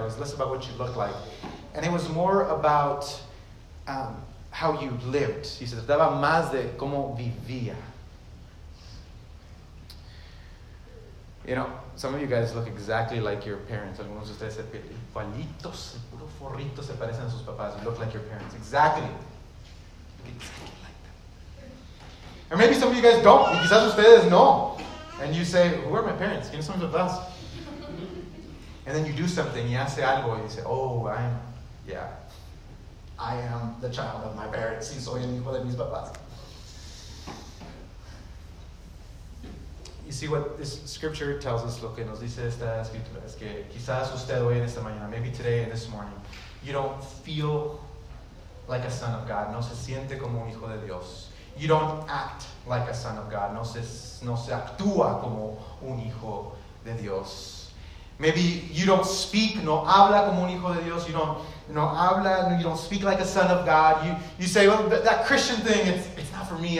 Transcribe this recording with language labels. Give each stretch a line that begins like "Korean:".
English: It was less about what you looked like. And it was more about how you lived.
Spanish: Y se trataba más de cómo vivía.
English: You know, some of you guys look exactly like your parents.
Spanish: Algunos de ustedes se igualitos, el puro forrito se parecen a sus papás.
English: You look like your parents. Exactly. Or maybe some of you guys don't.
Spanish: Y quizás ustedes no.
English: And you say, who are my parents?
Spanish: ¿Quiénes son mis papás?
English: And then you do something.
Spanish: Y hace algo. Y dice,
English: I am the child of my parents.
Spanish: Y soy el hijo de mis papás.
English: You see what this scripture tells us.
Spanish: Lo que nos dice esta escritura. Es que quizás usted hoy en esta mañana.
English: Maybe today and this morning. You don't feel like a son of God.
Spanish: No se siente como un hijo de Dios.
English: You don't act like a son of God.
Spanish: No se actúa como un hijo de Dios.
English: Maybe you don't speak,
Spanish: no habla como un hijo de Dios.
English: You don't speak like a son of God. You say, well, that Christian thing, it's not for me.